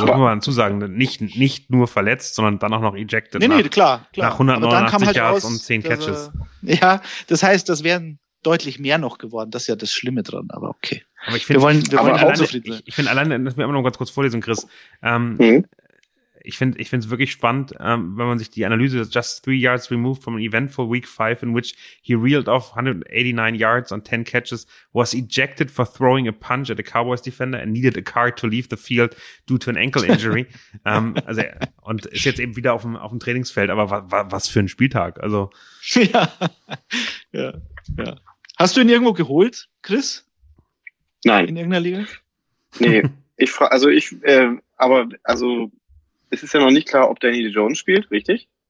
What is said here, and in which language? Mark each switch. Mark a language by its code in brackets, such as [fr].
[de] Also muss man dazu sagen, nicht nur verletzt, sondern dann auch noch ejected. Nee, klar. Nach 189 Yards halt und 10 Catches. Ja, das heißt, das wären deutlich mehr noch geworden. Das ist ja das Schlimme dran, aber okay. Aber ich finde, lass mir immer noch ganz kurz vorlesen, Chris. Ich finde es wirklich spannend, wenn man sich die Analyse, [en] just 3 yards removed from an eventful week 5 in which he reeled off 189 yards on 10 catches, was ejected for throwing a punch at a Cowboys defender and needed a car to leave the field due to an ankle injury. [de] und ist jetzt eben wieder auf dem Trainingsfeld, aber was für ein Spieltag. Also. Ja. Hast du ihn irgendwo geholt, Chris? Nein. In irgendeiner Liga? Nee, es ist ja noch nicht klar, ob Danny Jones spielt, richtig?